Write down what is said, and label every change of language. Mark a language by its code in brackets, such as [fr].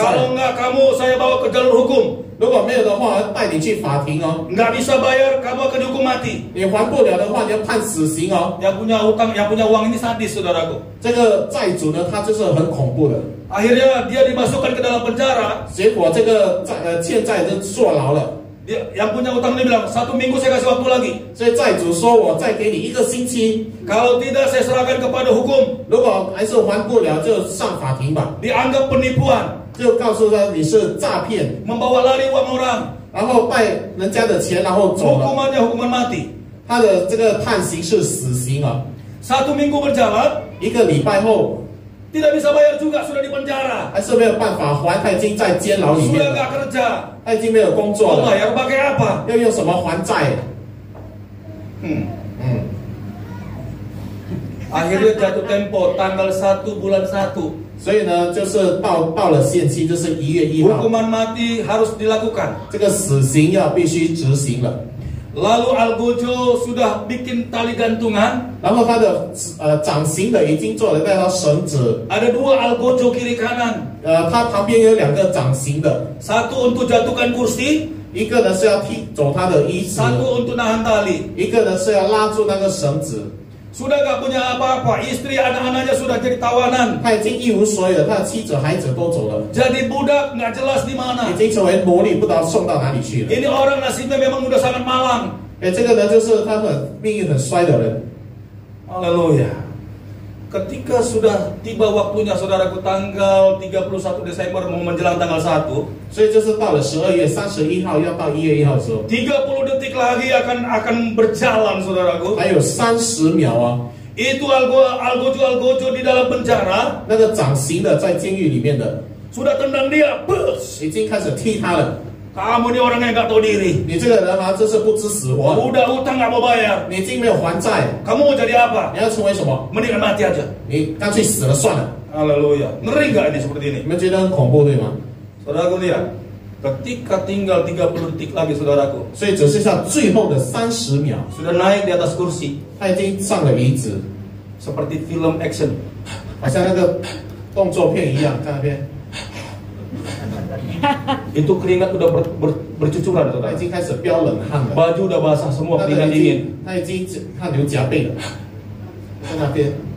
[id] kalau enggak kamu saya bawa ke jalur hukum, [zh] 如果没有的话, 带你去法庭哦, [id] enggak bisa bayar, kamu akan dihukum mati, [zh] 你还不了的话, 你要判死刑哦, [id] yang punya utang, yang punya uang ini sadis, saudaraku, [zh] 这个债主呢, 他就是很恐怖的, [id] akhirnya dia dimasukkan ke dalam penjara, [zh] 结果这个欠债就坐牢了, [id] dia, yang punya utang ini bilang, satu minggu saya kasih waktu lagi. [zh] 所以债主说我再给你一个星期, [id] kalau tidak saya serahkan kepada hukum. [zh] 如果还是还不了就上法庭吧, [id] dianggap penipuan, [zh] 就告诉他你是诈骗, [id] membawa lari uang orang, [zh] 然后败人家的钱, 然后走了, [id] hukumannya hukuman mati, [zh] 他的这个判刑是死刑啊, [id] satu minggu berjalan, [zh] 一个礼拜后, [id] tidak bisa bayar juga, sudah di penjara, [zh] 还是没有办法还, 他已经在监牢里面, [id] sudah gak kerja, [zh] 他已经没有工作了, [id] bayar pakai apa, [zh] 要用什么还债, [id] akhirnya jatuh tempo, tanggal 1 bulan 1, [zh] 所以呢, 就是到了限期, 就是1月1号, [id] hukuman mati harus dilakukan, [zh] 这个死刑要必须执行了, [id] lalu Algojo sudah bikin tali gantungan, [zh] 然后他的, 掌刑的已经做了那条绳子, [id] ada dua Algojo kiri kanan, [zh] 他旁边有两个掌刑的, [id] satu untuk jatuhkan kursi, [zh] 一个呢是要踢走他的椅子, [id] satu untuk nahan tali, [zh] 一个呢是要拉住那个绳子, [id] sudah gak punya apa-apa, istri anak-anaknya sudah jadi tawanan, [zh] 他已经一无所有了, 他的妻子孩子都走了, [id] jadi budak gak jelas di mana, [zh] 已经成为奴隶, 不知道送到哪里去了, [id] ini orang nasibnya memang sudah sangat malang, [zh] 这个呢就是他们命运很衰的人, [id] haleluya, ketika sudah tiba waktunya, saudaraku, tanggal 31 Desember mau menjelang tanggal 1, [zh] 所以就是到了12月, 31号, 要到1月1号的时候, [id] 30 detik lagi akan berjalan, saudaraku, [zh] 还有30秒, [id] itu Algojo di dalam penjara, [zh] 那个掌刑的在监狱里面的, [id] sudah tendang dia, [zh] 已经开始踢他了, [id] kamu ini orang yang gak tahu diri, [zh] 你这个人啊, 这是不知死活, [id] udah utang gak mau bayar, [zh] 你已经没有还债, [id] kamu mau jadi apa, [zh] 你要成为什么, [id] mendingan mati aja, [zh] 你干脆死了算了, [id] haleluya, ngeri gak ini seperti ini, [zh] 你们觉得很恐怖对吗, [id] saudaraku lihat, ketika tinggal 30 detik lagi, saudaraku, [zh] 所以只剩下最后的30秒, [id] sudah naik di atas kursi, [zh] 他已经上了椅子, [id] seperti film action, [zh] 好像那个动作片一样, 在那边, [id] itu keringat sudah bercucuran, saudara. [zh] 已经开始飙冷汗了, [id] baju sudah basah semua, keringat dingin, [zh] 他流浃背了, 在那边,